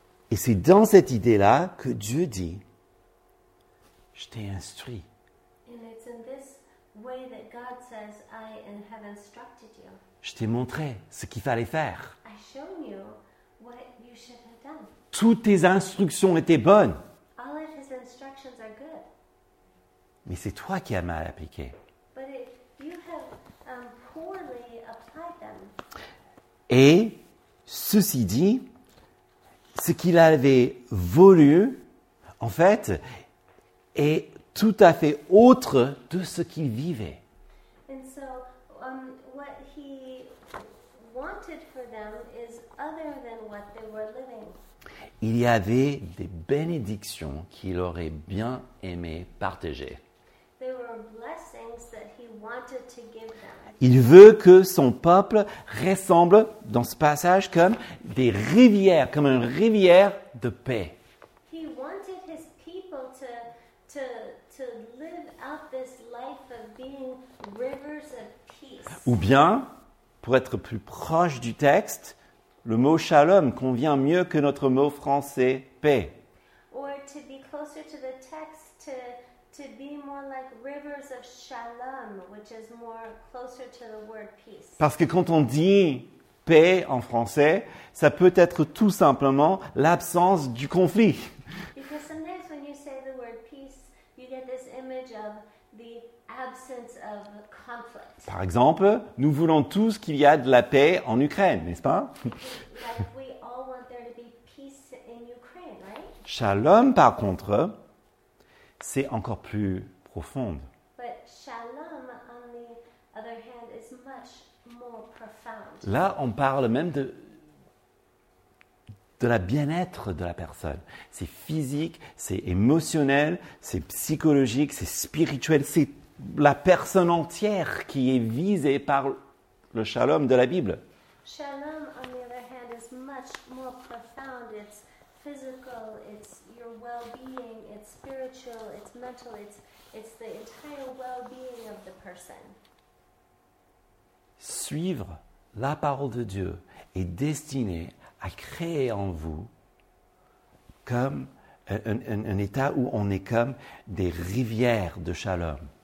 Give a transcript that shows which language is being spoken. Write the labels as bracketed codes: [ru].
[fr] Et c'est dans cette idée-là que Dieu dit, je t'ai instruit. [en] And it's in this way that God says, I have instructed you. [fr] Je t'ai montré ce qu'il fallait faire. [en] I showed you what you should have done. [fr] Toutes tes instructions étaient bonnes. [en] All of his instructions are good. [fr] Mais c'est toi qui as mal appliqué. [en] But you have poorly applied them. [fr] Et ceci dit, ce qu'il avait voulu, en fait, est tout à fait autre de ce qu'il vivait. [en] And so, what he wanted for them is other than what they were living. [fr] Il y avait des bénédictions qu'il aurait bien aimé partager. [en] There were blessings that he wanted to give them. [fr] Il veut que son peuple ressemble dans ce passage comme des rivières, comme une rivière de paix. [en] He wanted his people to live out this life of being rivers of peace. [fr] Ou bien, pour être plus proche du texte, le mot shalom convient mieux que notre mot français paix. [en] Or to be closer to the text, to be more like rivers of shalom, which is more closer to the word peace. [fr] Parce que quand on dit paix en français, ça peut être tout simplement l'absence du conflit. [en] Because sometimes when you say the word peace, you get this image of the absence of conflict. [fr] Par exemple, nous voulons tous qu'il y ait de la paix en Ukraine, n'est-ce pas? [en] Like we all want there to be peace in Ukraine, right? [fr] Shalom, par contre, c'est encore plus profond. [en] But shalom, on the other hand, is much more profound. [fr] Là, on parle même de la bien-être de la personne. C'est physique, c'est émotionnel, c'est psychologique, c'est spirituel, c'est la personne entière qui est visée par le shalom de la Bible. [en] Shalom, on the other hand, is much more profound. It's physical, it's your well-being, it's spiritual, it's mental, it's the entire well-being of the person. [fr] Suivre la parole de Dieu est destiné à créer en vous comme un état où on est comme des rivières de shalom.